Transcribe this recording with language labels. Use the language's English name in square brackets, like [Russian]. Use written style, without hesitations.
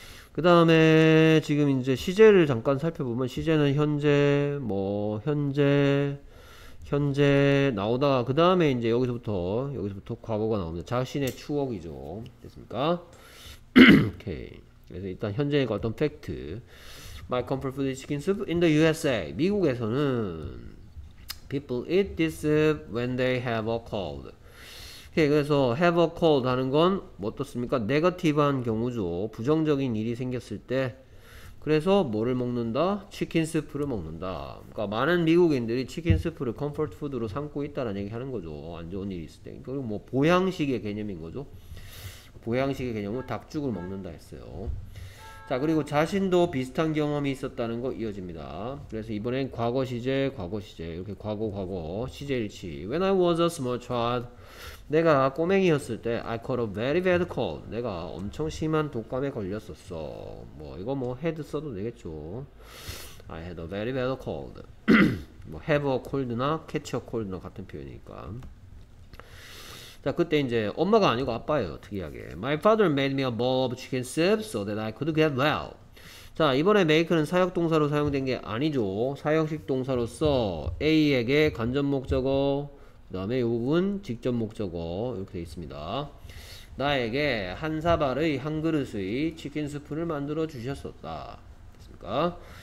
[Korean] 그 다음에 지금 이제 시제를 잠깐 살펴보면 시제는 현재 뭐 현재 현재 나오다가 그 다음에 이제 여기서부터 과거가 나옵니다. 자신의 추억이죠. 됐습니까? 오케이. 그래서 일단 현재의 어떤 팩트. [English] My comfort food is chicken soup in the USA. 미국에서는 people eat this soup when they have a cold. [Korean] 오케이. 그래서 have a cold 하는 건 뭐 어떻습니까? 네거티브한 경우죠. 부정적인 일이 생겼을 때. 그래서 뭐를 먹는다? 치킨 스프를 먹는다. 그러니까 많은 미국인들이 치킨 스프를 컴포트 푸드로 삼고 있다라는 얘기 하는 거죠. 안 좋은 일이 있을 때. 그리고 뭐 보양식의 개념인 거죠. 보양식의 개념은 닭죽을 먹는다 했어요. 자, 그리고 자신도 비슷한 경험이 있었다는 거 이어집니다. 그래서 이번엔 과거 시제 이렇게 과거 시제 일치. [English] When I was a small child, [Korean] 내가 꼬맹이였을 때 [English] I caught a very bad cold. [Korean] 내가 엄청 심한 독감에 걸렸었어. 뭐 이거 뭐 had 써도 되겠죠. [English] I had a very bad cold. [Korean] 뭐 have a cold나 catch a cold나 같은 표현이니까. 자 그때 이제 엄마가 아니고 아빠예요. [English] 특이하게 My father made me a bowl of chicken soup so that I could get well. [Korean] 자 이번에 make는 사역동사로 사용된 게 아니죠. 사역식 동사로서 A에게 간접목적어 그 다음에 이 부분 직접목적어 이렇게 되어 있습니다. 나에게 한 사발의 한 그릇의 치킨 스프를 만들어 주셨었다 됐습니까?